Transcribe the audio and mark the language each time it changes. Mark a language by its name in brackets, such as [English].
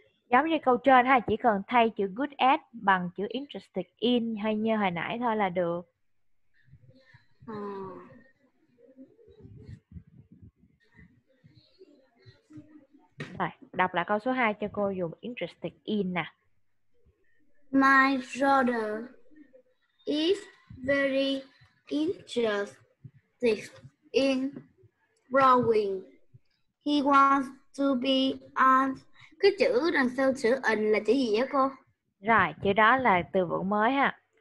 [Vietnamese] Giống như câu trên ha, chỉ cần thay chữ good at bằng chữ interested in hay như hồi nãy thôi là được. Rồi, đọc lại câu số 2 cho cô dùng interested in nè. [English] My brother is very interested in drawing. He wants to be on. [Vietnamese] Cái chữ đằng sau chữ in là chữ gì vậy cô? Rồi, chữ đó là từ vựng mới ha.